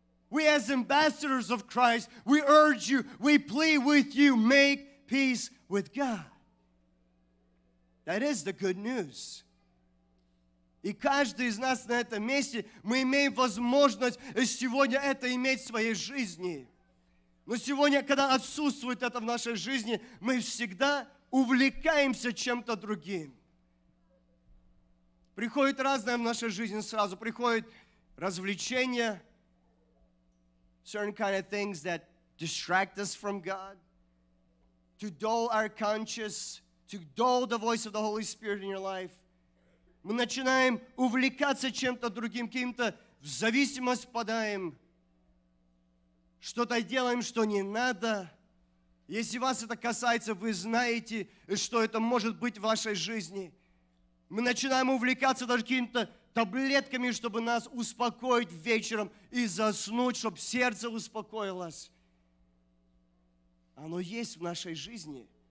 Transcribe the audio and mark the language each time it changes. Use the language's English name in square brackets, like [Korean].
[English] We as ambassadors of Christ, we urge you, we plead with you, make peace with God. That is the good news. [Russian] И каждый из нас на этом месте, мы имеем возможность сегодня это иметь в своей жизни. Но сегодня, когда отсутствует это в нашей жизни, мы всегда увлекаемся чем-то другим. Приходит разное в нашей жизни сразу. Приходит развлечение, [English] certain kind of things that distract us from God, to dull our conscience, to dull the voice of the Holy Spirit in your life. [Russian] Мы начинаем увлекаться чем-то другим, каким-то в зависимость впадаем. Что-то делаем, что не надо. Если вас это касается, вы знаете, что это может быть в вашей жизни. Мы начинаем увлекаться даже какими-то таблетками, чтобы нас успокоить вечером и заснуть, чтобы сердце успокоилось. Оно есть в нашей жизни.